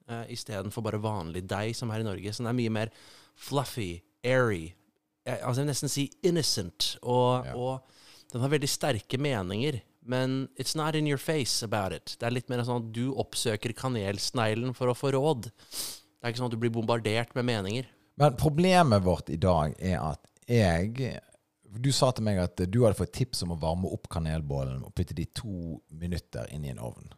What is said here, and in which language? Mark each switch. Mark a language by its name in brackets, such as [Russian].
[Norwegian] I stedet for bare vanlig deig som her i Norge. Så den er mye mer fluffy, airy. Jeg vil nesten si innocent. Og, ja. Og den har veldig sterke meninger. [English] Men it's not in your face about it. [Norwegian] Det er litt mer sånn at du oppsøker kanelsneglen for å få råd. Det er ikke sånn at du blir bombardert med meninger. Men problemet vårt i dag er at jeg... Du sa til meg at du hadde fått tips om å varme opp kanelbålen og putte de 2 minutter inn i en ovn.